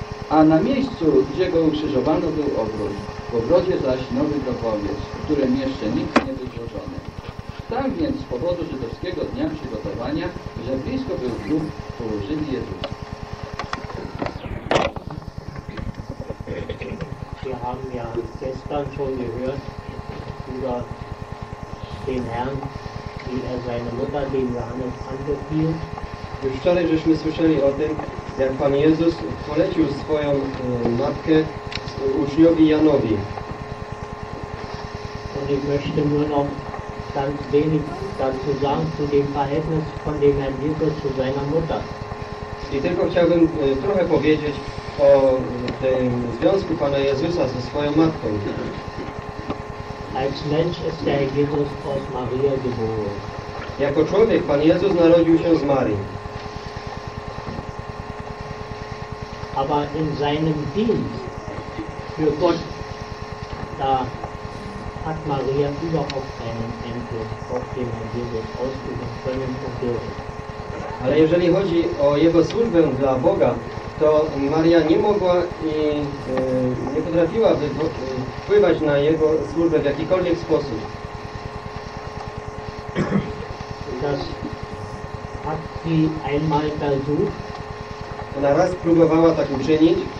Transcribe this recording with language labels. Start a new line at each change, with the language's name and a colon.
Polish: A na miejscu, gdzie go ukrzyżowano, był ogród. W ogrodzie zaś nowy grobowiec, w którym jeszcze nikt nie był złożony. Tak więc z powodu żydowskiego dnia przygotowania, że blisko był grób, położyli Jezusa.
German: Wir haben ja gestern schon gehört über den Herrn, wie er seine Mutter, den Johannes, anbefiel.
Polish: Już wczoraj żeśmy słyszeli o tym, jak Pan Jezus polecił swoją matkę uczniowi Janowi.
German: Und ich möchte nur noch ganz wenig dazu sagen zu dem Verhältnis von dem Herrn Jesus zu seiner Mutter.
Polish: I tylko chciałbym trochę powiedzieć o tym związku Pana Jezusa ze swoją matką.
German: Als Mensch ist der Jesus aus Maria geboren.
Polish: Jako człowiek Pan Jezus narodził się z Marii.
German: Aber in seinem Dienst für Gott, da hat Maria überhaupt keinen Einfluss auf den Herrn Jesus ausüben können und dürfen.
Polish: Ale jeżeli chodzi o jego służbę dla Boga, to Maria nie mogła i nie potrafiła wpływać na jego służbę w jakikolwiek sposób.
German: Das hat sie einmal versucht.
Polish: Ona raz próbowała tak uczynić.